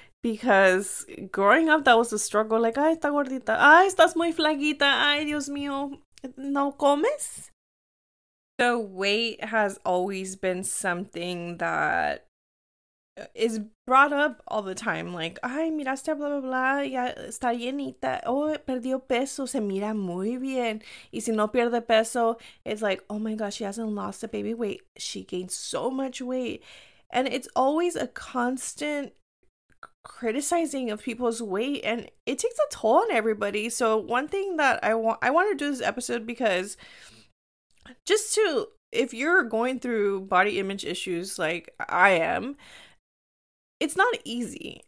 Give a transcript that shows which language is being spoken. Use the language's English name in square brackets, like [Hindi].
[English] Because growing up, that was a struggle. [Spanish] Like, ay, está gordita. Ay, estás muy flaquita. Ay, Dios mío. No comes? [English] So weight has always been something that is brought up all the time. [Spanish] Like, ay, miraste, blah, blah, blah, ya está llenita. Oh, perdió peso, se mira muy bien. Y si no pierde peso, [English] it's like, oh my gosh, she hasn't lost the baby weight. She gained so much weight. And it's always a constant criticizing of people's weight, and it takes a toll on everybody. So one thing that I want to do this episode because just to, if you're going through body image issues like I am, it's not easy.